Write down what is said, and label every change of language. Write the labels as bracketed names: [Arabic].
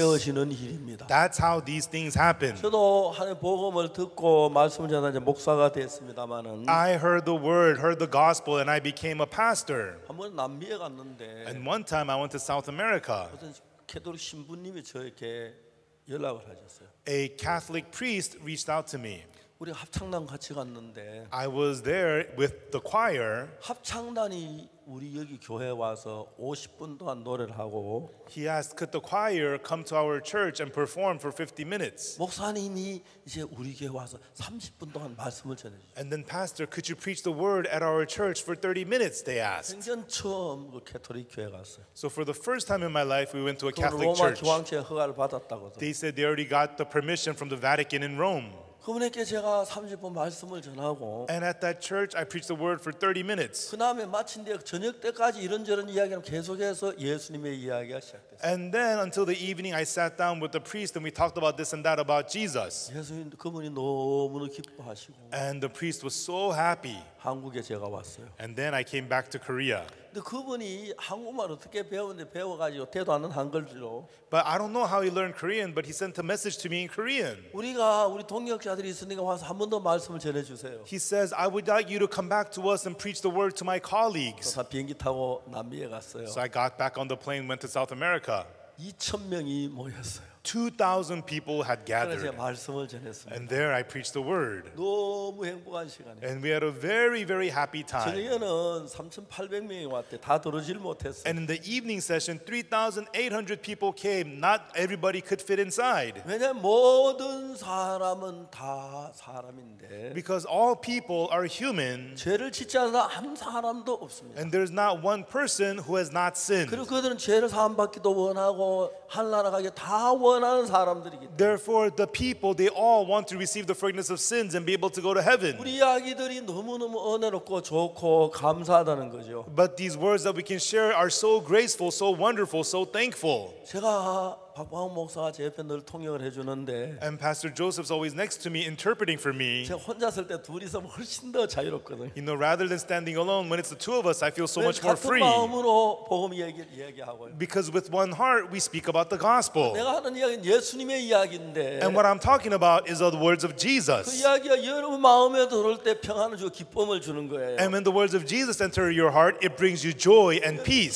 [Korean] 되어지는 일입니다. [English] That's how these things happen. [Korean] 저도 하나님 복음을 듣고 말씀을 전하는 목사가 되었습니다만은 [English] I heard the word, heard the gospel and I became a pastor. [Korean] 한번 남미에 갔는데 [English] And one time I went to South America. [Korean] 어떤 캐톨릭 신부님이 저에게 연락을 하셨어요. [English] A Catholic priest reached out to me. [Korean] 우리 합창단 같이 갔는데 [English] I was there with the choir [Korean] 합창단이 우리 여기 교회 와서 50분 동안 노래를 하고 [English] He asked could the choir come to our church and perform for 50 minutes [Korean] 목사님이 이제 우리 교회 와서 30분 동안 말씀을 전해 주세요 [English] And then pastor could you preach the word at our church for 30 minutes they asked [Korean] 생전 처음 그 캐톨릭 교회 갔어요 [English] So for the first time in my life we went to a Catholic church [Korean] 로마 교황청 허가를 받았다고 [English] They said they already got the permission from the Vatican in Rome [Korean] 그분에게 제가 30분 말씀을 전하고 [English] And at that church I preached the word for 30 minutes. [Korean] 그다음에 마친 뒤에 저녁 때까지 이런저런 이야기를 계속해서 예수님의 이야기가 시작됐어요. [English] And then until the evening I sat down with the priest and we talked about this and that about Jesus. [Korean] 예수님 그분이 너무나 기뻐하시고 [English] And the priest was so happy. [Korean] 한국에 제가 왔어요. [English] And then I came back to Korea. [Korean] 근데 그분이 한국말 어떻게 배웠는데 배워가지고 대도 않는 한글로 [English] But I don't know how he learned Korean, but he sent a message to me in Korean. [Korean] 우리가 우리 동역자들이 있으니까 와서 한 번 더 말씀을 전해주세요. [English] He says, I would like you to come back to us and preach the word to my colleagues. [Korean] 그래서 비행기 타고 남미에 갔어요. [English] So I got back on the plane, went to South America. [Korean] 2,000명이 모였어요. [English] 2,000 people had gathered. [Korean] 그래서 말씀을 전했습니다. [English] And there I preached the word. [Korean] 너무 행복한 시간이에요. [English] And we had a very, very happy time. [Korean] 저녁에는 3,800명이 왔대. 다 들어질 못했어요. [English] And in the evening session, 3,800 people came. Not everybody could fit inside. [Korean] 왜냐하면 모든 사람은 다 사람인데. [English] Because all people are human. [Korean] 죄를 짓지 않은 한 사람도 없습니다. [English] And there's not one person who has not sinned. [Korean] 그리고 그들은 죄를 사함받기도 원하고 하늘나라 가게 다 [English] Therefore, the people, they all want to receive the forgiveness of sins and be able to go to heaven. [Korean] 우리 이야기들이 너무너무 은혜롭고 좋고 감사하다는 거죠. [English] But these words that we can share are so graceful, so wonderful, so thankful. [Korean] 제가 박광훈 목사가 제 옆에 늘 통역을 해주는데 [English] And Pastor Joseph's always next to me interpreting for me. [Korean] 제가 혼자 있을 때 둘이서 훨씬 더 자유롭거든요. [English] You know, rather than standing alone, when it's the two of us, I feel so much more free. [Korean] 같은 마음으로 복음 이야기하고요. [English] Because with one heart, we speak about the gospel. [Korean] 내가 하는 이야기는 예수님의 이야기인데 [English] And what I'm talking about is the words of Jesus. [Korean] 그 이야기가 여러분 마음에 들어올 때 평안을 주고 기쁨을 주는 거예요. [English] And when the words of Jesus enter your heart, it brings you joy and peace.